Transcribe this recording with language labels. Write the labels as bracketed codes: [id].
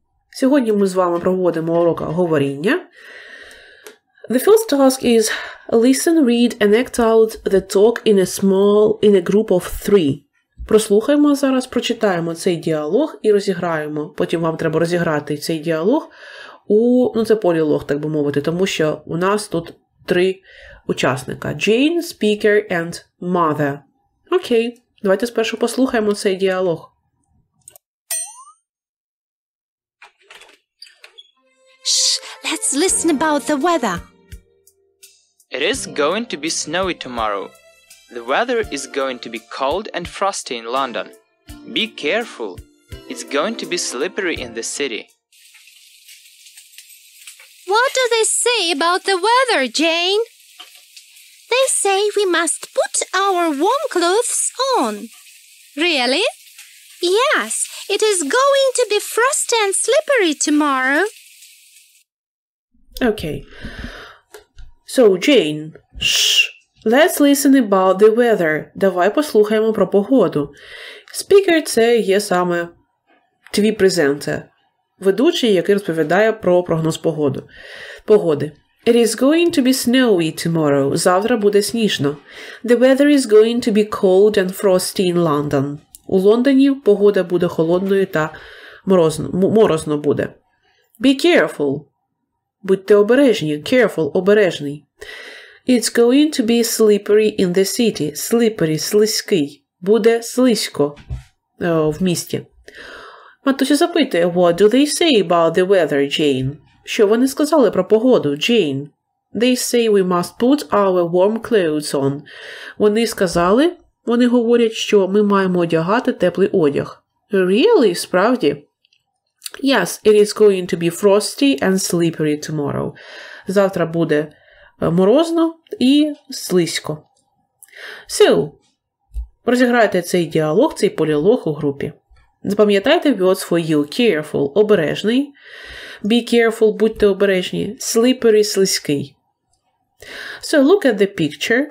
[uk] Сьогодні ми з вами проводимо урок говоріння. [en] The first task is listen, read and act out the talk in a group of three. [uk] Прослухаємо зараз, прочитаємо цей діалог і розіграємо. Потім вам треба розіграти цей діалог це полілог, так би мовити, тому що у нас тут три учасника: Jane, [en] speaker and mother. [uk] Окей. Давайте спершу послухаємо цей діалог. [en] Let's listen about the weather. It is going to be snowy tomorrow. The weather is going to be cold and frosty in London. Be careful. It's going to be slippery in the city. What do they say about the weather, Jane? They say we must put our warm clothes on. Really? Yes, it is going to be frosty and slippery tomorrow. Okay, so Jane, let's listen about the weather. [uk] Давай послухаємо про погоду. Speaker – це є саме твій презентер, ведучий, який розповідає про прогноз погоди. [en] It is going to be snowy tomorrow. [uk] Завтра буде сніжно. [en] The weather is going to be cold and frosty in London. [uk] У Лондоні погода буде холодною та морозно буде. [en] Be careful. [uk] Будьте обережні. [en] Careful – обережний. It's going to be slippery in the city. [uk] Slippery – слизький. Буде слизько в місті. Матуся запитує, [en] what do they say about the weather, Jane? [uk] Що вони сказали про погоду, Jane? [en] They say we must put our warm clothes on. [uk] Вони сказали, вони говорять, що ми маємо одягати теплий одяг. [en] Really? [uk] Справді? [en] Yes, it is going to be frosty and slippery tomorrow. [uk] Завтра буде морозно і слизько. So, розіграйте цей діалог, цей полілог у групі. [en] Запам'ятайте words for you. Careful – обережний. Be careful – [uk] будьте обережні. [en] Slippery – слизький. So, look at the picture.